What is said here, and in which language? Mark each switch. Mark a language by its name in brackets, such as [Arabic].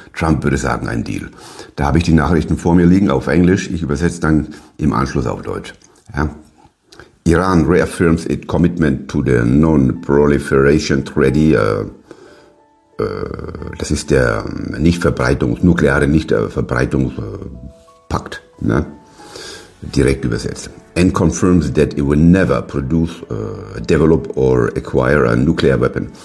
[German] Trump würde sagen, ein Deal. Da habe ich die Nachrichten vor mir liegen auf Englisch. Ich übersetze dann im Anschluss auf Deutsch. Ja. [English] Iran reaffirms its commitment to the non-proliferation treaty. [German] Das ist der nukleare Nichtverbreitungspakt. Ne? Direkt übersetzt. [English] And confirms that it will never produce, develop or acquire a nuclear weapon.